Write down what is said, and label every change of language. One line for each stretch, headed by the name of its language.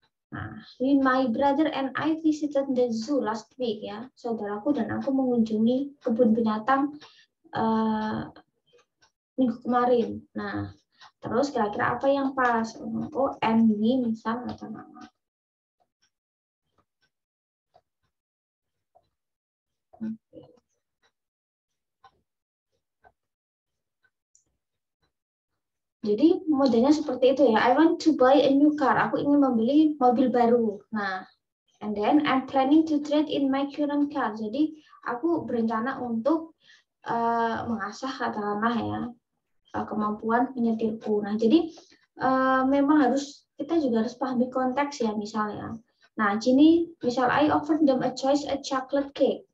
English: Nah, my brother and I visited the zoo last week ya.
Indonesian: Saudaraku dan aku mengunjungi kebun binatang minggu kemarin. Nah, terus kira-kira apa yang pas?
English: Oh, and we
Indonesian: misal atau nama. Jadi modelnya seperti itu ya.
English: I want to buy a new car.
Indonesian: Aku ingin membeli mobil baru.
English: Nah, and then I'm planning to trade in my current car.
Indonesian: Jadi aku berencana untuk mengasah katakanlah ya kemampuan menyetirku. Nah, jadi memang harus kita juga harus pahami konteks ya misalnya. Nah, gini misal
English: I offer them a choice a chocolate cake.